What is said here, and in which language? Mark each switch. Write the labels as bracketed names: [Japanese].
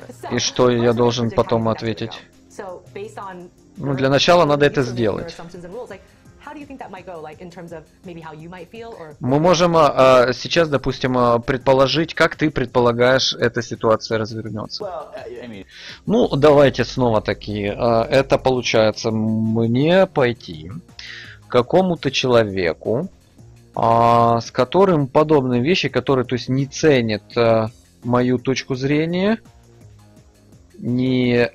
[Russian] И что я должен потом ответить? [English] So, based on... [Russian] Ну, для начала надо это сделать. [English] How do you think that might go, like in terms of maybe how you might feel or? [Russian] Мы можем сейчас, допустим, предположить, как ты предполагаешь, эта ситуация развернется. Ну, давайте снова таки. Это получается мне пойти к какому-то человеку, с которым подобные вещи, которые, то есть, не ценят мою точку зрения. Не...